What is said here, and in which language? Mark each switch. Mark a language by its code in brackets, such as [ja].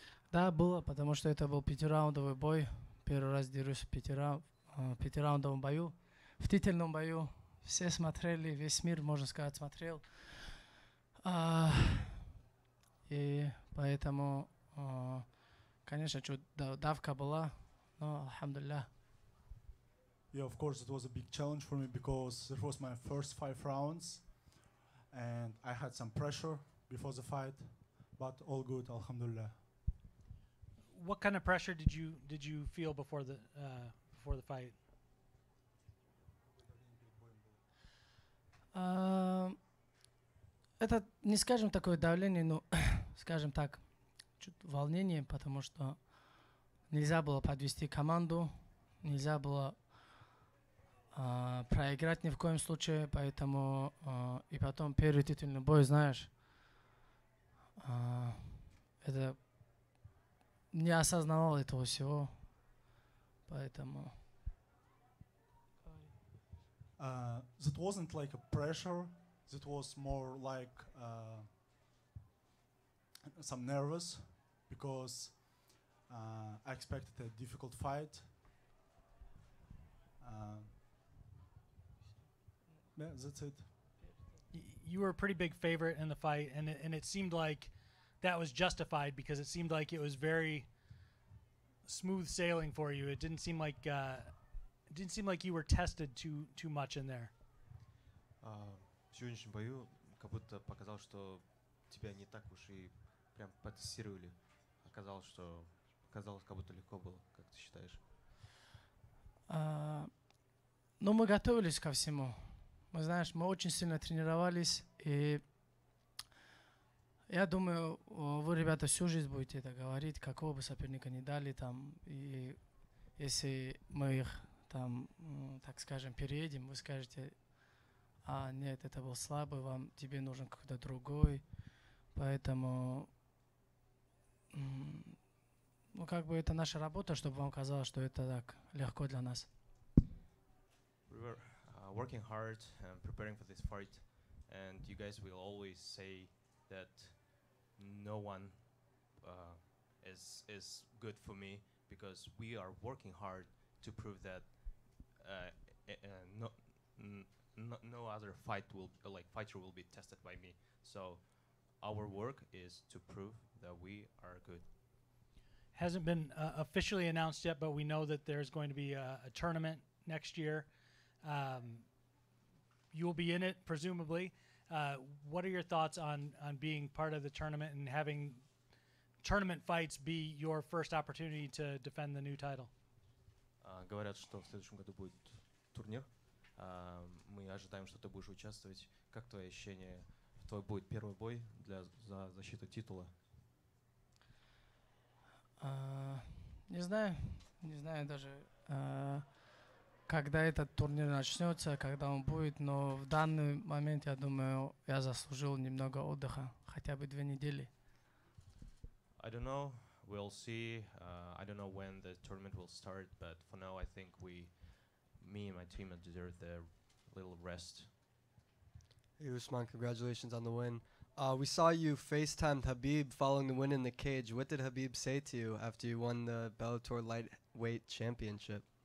[ru] Да, было, потому что это был пятираундовый бой. Первый раз дерусь в пятираундовом бою. В титульном бою все смотрели, весь мир, можно сказать, смотрел. И поэтому, конечно, чуть давка была, но алхамдулилля. [en] Yeah, of course, it was a big challenge for me because it was my first 5 rounds and I had some pressure before the fight, but all good, alhamdulillah. What kind of pressure did you feel before the fight? [ru] Это не скажем такое давление, но скажем так, чуть волнение, потому что нельзя было подвести команду, нельзя было проиграть ни в коем случае, поэтому и потом первый титульный бой, знаешь, это не осознавал этого всего, поэтому. [en] That wasn't like a pressure. That was more like some nervous because I expected a difficult fight. Yeah, that's it. You were a pretty big favorite in the fight, and it seemed like that was justified because it seemed like it was very smooth sailing for you. It didn't seem like you were tested too much in there. [ru] В сегодняшнем бою как будто показал, что тебя не так уж и прям потестировали. Оказалось, как будто легко было, как ты считаешь? Ну, мы готовились ко всему. Мы, знаешь, мы очень сильно тренировались, и я думаю, вы, ребята, всю жизнь будете это говорить, какого бы соперника ни дали там, и если мы их там, так скажем, переедем, вы скажете: а нет, это был слабый, вам тебе нужен какой-то другой. Поэтому, ну, как бы это наша работа, чтобы вам казалось, что это так легко для нас. [en] We were working hard and preparing for this fight, and you guys will always say that no one is good for me because we are working hard to prove that no other fight will like fighter will be tested by me. So our work is to prove that we are good. Hasn't been officially announced yet, but we know that there's going to be a tournament next year. You'll be in it, presumably. What are your thoughts on being part of the tournament and having tournament fights be your first opportunity to defend the new title? [ru] Говорят, что в следующем году будет турнир. Мы ожидаем, что ты будешь участвовать. Как твои ощущения? Твой будет первый бой за защиту титула? Не знаю даже, когда этот турнир начнется, когда он будет, но в данный момент, я думаю, я заслужил немного отдыха, хотя бы 2 недели. [en] I don't know. We'll see. I don't know when the tournament will start, but for now, I think me and my team deserve a little rest. Hey, Usman, congratulations on the win. We saw you FaceTime Habib following the win in the cage. What did Habib say to you after you won the Bellator Lightweight Championship?